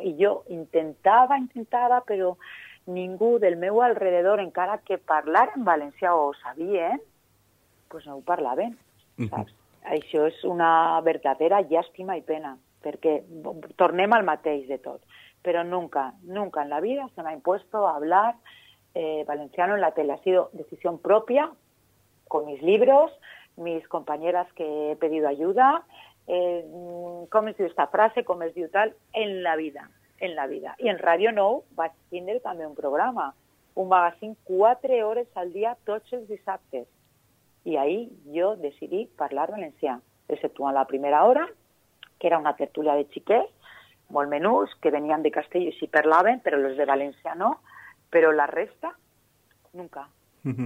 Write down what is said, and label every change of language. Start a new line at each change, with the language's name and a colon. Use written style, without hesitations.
Catalan: I jo intentava, però ningú del meu alrededor, encara que parlar en valencià o sabien, pues no ho parlaven. Uh-huh. Això és una verdadera llàstima i pena. Perquè tornem al mateix de tot.
Spanish: Però nunca en la vida se m'ha impuesto a hablar valenciano en la tele. Ha sido decisión propia, con mis libros, mis compañeras que he pedido ayuda. ¿Cómo es esta frase? ¿Cómo es tal? En la vida.
Catalan: Y en Radio Nou vaig tindre també un programa, un magazine 4 hores al dia, tots els dissabtes. I ahí jo decidí parlar valencià, exceptuant la primera hora, que era una tertúlia de xiquets, molt menús, que venien de Castelló i s'hi parlaven, però els de València no, però la resta, nunca. Uh-huh.